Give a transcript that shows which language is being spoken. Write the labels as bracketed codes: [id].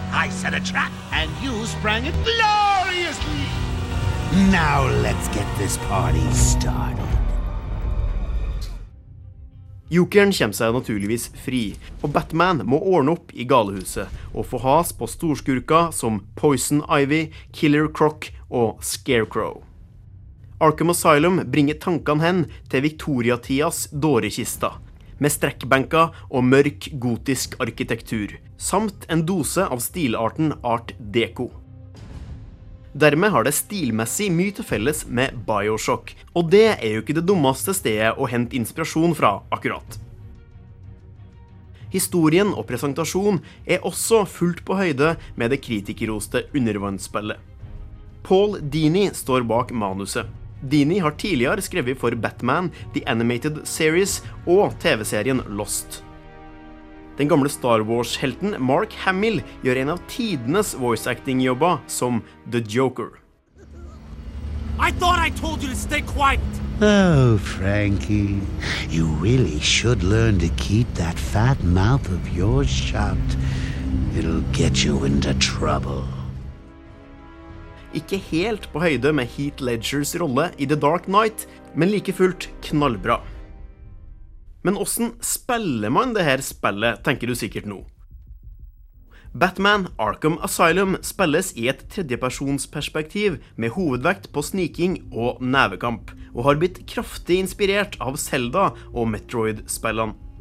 [en] I set a trap and you sprang it gloriously! Now let's get this party started. [no] Jokeren kommer seg naturligvis fri, og Batman må ordne opp i galehuset og få has på storskurker som Poison Ivy, Killer Croc og Scarecrow. Arkham Asylum bringer tankene hen til Victoria-tidas dårekista, med strekkbenker og mørk gotisk arkitektur, samt en dose av stilarten Art Deco. Dermed har det stilmessig mye til felles med Bioshock, og det er jo ikke det dummeste stedet å hente inspirasjon fra akkurat. Historien og presentasjon er også fullt på høyde med det kritikerroste undervannsspillet. Paul Dini står bak manuset. Dini har tidligere skrevet for Batman, The Animated Series og TV-serien Lost. Den gamle Star Wars-helten Mark Hamill gjør en av tidenes voice-acting-jobber som The Joker. [en] I thought I told you to stay quiet! Oh, Frankie, you really should learn to keep that fat mouth of yours shut. It'll get you into trouble. [no] Ikke helt på høyde med Heath Ledgers rolle i The Dark Knight, men like fullt knallbra. Men hvordan spiller man det her spillet, tenker du sikkert nå. Batman Arkham Asylum spilles i et tredjepersonsperspektiv med hovedvekt på sniking og nevekamp, og har blitt kraftig inspirert av Zelda og Metroid-spillene.